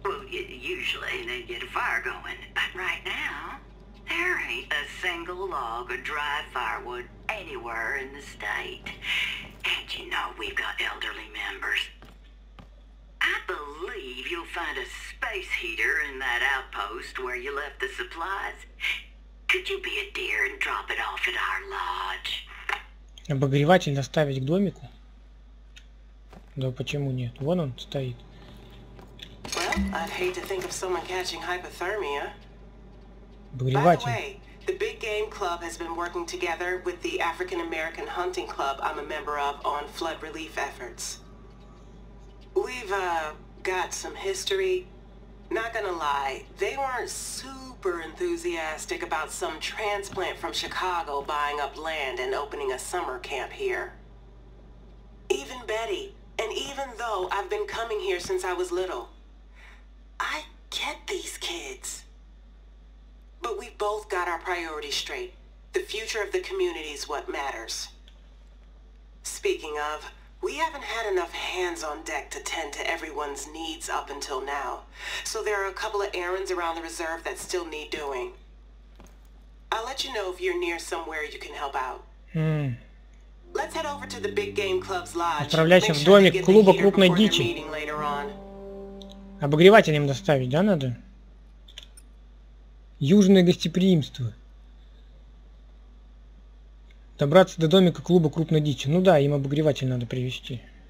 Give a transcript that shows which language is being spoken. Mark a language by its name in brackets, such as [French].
[English] Usually they get a fire going, but right now there ain't a single log of dry firewood anywhere in the state. And you know we've got elderly members. I believe you'll find a space heater in that outpost where you left the supplies. Could you be a dear and drop it off at our lodge? [Russian] Обогреватель доставить к домику? Да почему нет? Вон он стоит. [English] I'd hate to think of someone catching hypothermia. [Russian] Обогреватель. [English] By the way, the Big Game Club has been working together with the African American Hunting Club I'm a member of on flood relief efforts. We've got some history. Not gonna lie, they weren't super enthusiastic about some transplant from Chicago buying up land and opening a summer camp here. Even Betty, and even though I've been coming here since I was little. I get these kids. But we both got our priorities straight. The future of the community is what matters. Speaking of, we haven't had enough hands on deck to tend to everyone's needs up until now. So there are a couple of errands around the reserve that still need doing. I'll let you know if you're near somewhere you can help out. Hmm. Let's head over to the Big Game Club's lodge. [Russian] Отправляйся в домик клуба крупной дичи. Обогреватель им доставить, да, надо? Южное гостеприимство. Добраться до домика клуба крупной дичи. Ну да, им обогреватель надо привезти.